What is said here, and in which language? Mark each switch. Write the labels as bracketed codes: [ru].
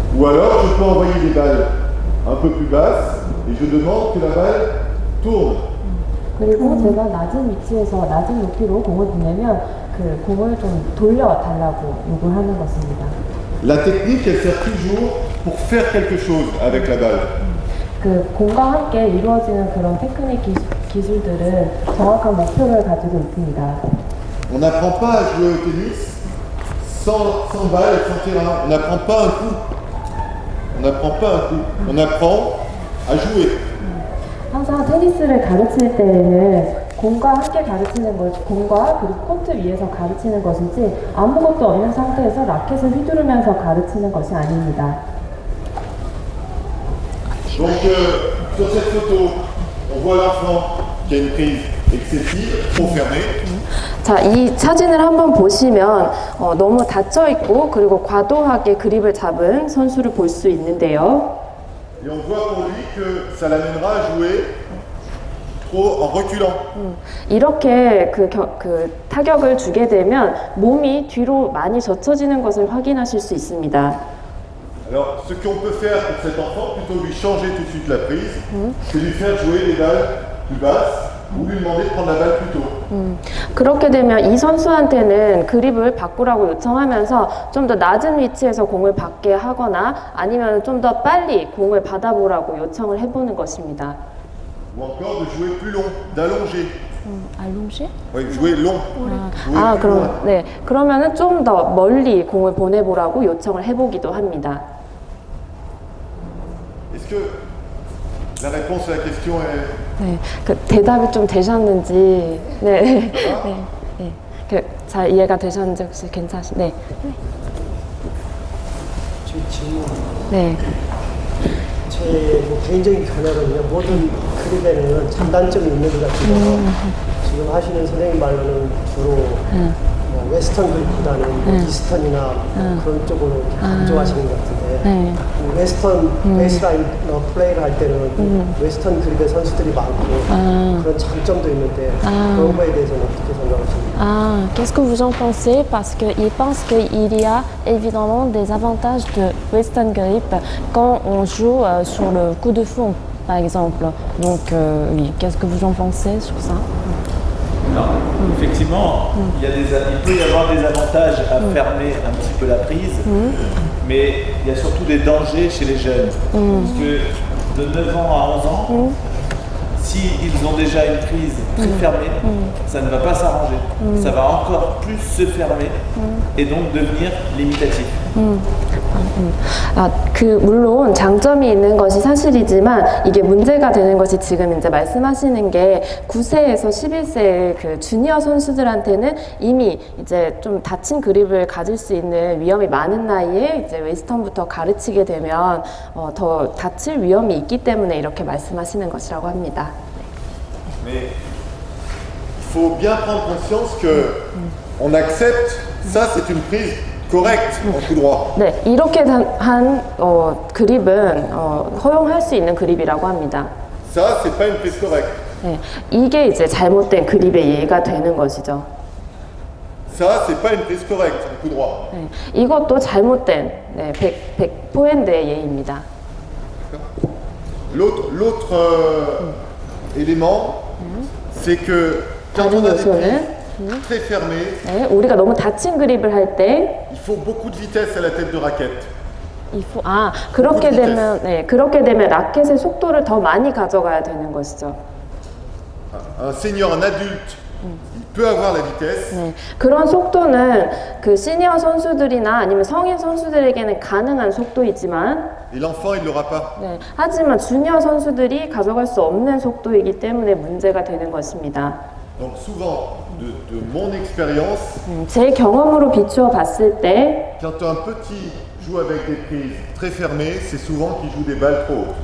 [fr] Ou alors je peux envoyer des balles un peu plus basses et je demande que la balle tourne. [ko] 그리고 제가 낮은 위치에서 낮은 높이로 공을 보내면 그 공을 좀 돌려달라고 요구하는 것입니다. [fr] La technique elle sert toujours pour faire quelque chose avec la balle. [ko] 그 공과 함께 이루어지는 그런 테크닉이 기술들을 정확한 목표를 가지고 있습니다. [fr] On n'apprend pas à jouer au tennis sans balle, sans terrain. On n'apprend pas un coup. On n'apprend pas un coup. On apprend à jouer. [ko] 항상 테니스를 가르칠 때에는 공과 함께 가르치는 것, 공과 그리고 코트 위에서 가르치는 것이지 아무것도 없는 상태에서 라켓을 휘두르면서 가르치는 것이 아닙니다. [fr] Donc sur cette photo, on voit l'enfant. Qui a une prise excessive, trop fermée. [ko] 자, 이 사진을 한번 보시면 너무 닫혀 있고 그리고 과도하게 그립을 잡은 선수를 볼 수 있는데요. [fr] Et on voit pour lui que ça l'amènera à jouer trop en reculant. [ko] 이렇게 그 타격을 주게 되면 몸이 뒤로 많이 젖혀지는 것을 확인하실 수 있습니다. [fr] Alors, ce qu'on peut faire pour cet enfant, plutôt lui changer tout de suite la prise, c'est lui faire jouer les balles. Plus basse, vous lui demandez de prendre la balle plus tôt. [ko] 그렇게 되면 이 선수한테는 그립을 바꾸라고 요청하면서 좀 더 낮은 위치에서 공을 받게 하거나 아니면 좀 더 빨리 공을 받아보라고 요청을 해보는 것입니다. [fr] Ou encore de jouer plus long, d'allonger. Allonger? Oui, jouer long. [ko] 네. 그러면은 좀 더 멀리 공을 보내보라고 요청을 해보기도 합니다. [fr] Est-ce que la réponse à la question est [ko] 네, 그 대답이 좀 되셨는지 그 잘 이해가 되셨는지 혹시 괜찮으신데 네. 제 뭐 개인적인 견해로는요 모든 그립에는 장단점이 있는 것 같아요. 지금 하시는 선생님 말로는 주로 뭐 웨스턴 그립보다는 이스턴이나 그런 쪽으로 강조하시는 것 같은데 웨스턴 베이스라인 플레이를 할 때는 웨스턴 그립의 선수들이 많고 그런 장점도 있는데 그런 거에 대해서는 어떻게 생각하십니까? [fr] Qu'est-ce que vous en pensez? Parce qu'il pense qu'il y a évidemment des avantages de Western grip quand on joue sur le coup de fond, par exemple. Donc, qu'est-ce que vous en pensez sur ça? Alors, effectivement, il peut y avoir des avantages à fermer un petit peu la prise, mais il y a surtout des dangers chez les jeunes. Parce que de 9 ans à 11 ans, s'ils ont déjà une prise très fermée, ça ne va pas s'arranger. Ça va encore plus se fermer et donc devenir limitatif. [ko] 아, 그 물론 장점이 있는 것이 사실이지만 이게 문제가 되는 것이 지금 이제 말씀하시는 게 9세에서 11세의 그 주니어 선수들한테는 이미 이제 좀 다친 그립을 가질 수 있는 위험이 많은 나이에 이제 웨스턴부터 가르치게 되면 더 다칠 위험이 있기 때문에 이렇게 말씀하시는 것이라고 합니다. 네. [fr] Il faut bien prendre conscience que on accepte ça c'est une prise correct, tout droit. [ko] 네, 이렇게 한 그립은 허용할 수 있는 그립이라고 합니다. [fr] Ça, c'est pas une prise correct. [ko] 네, 이게 이제 잘못된 그립의 예가 되는 것이죠. [fr] Ça, c'est pas une prise correct, tout droit. [ko] 네, 이것도 잘못된 네, 백포핸드의 예입니다. [fr] L'autre élément, c'est que quand on a des prises très fermé. [ko] 네, 우리가 너무 닫힌 그립을 할 때 [fr] il faut beaucoup de vitesse à la tête de raquette. [ko] 아, 그렇게 되면 네, 그렇게 되면 라켓의 속도를 더 많이 가져가야 되는 것이죠. [fr] Un senior, un adulte, il peut avoir la vitesse. [ko] 네, 그런 속도는 그 시니어 선수들이나 아니면 성인 선수들에게는 가능한 속도이지만 [fr] et l'enfant, il l'aura pas. [ko] 네, 하지만 주니어 선수들이 가져갈 수 없는 속도이기 때문에 문제가 되는 것입니다. [fr] Donc souvent, de mon expérience, [ko] 제 경험으로 비추어 봤을 때 [fr] quand un petit joue avec des prises très fermées, c'est souvent qu'il joue des balles trop hautes.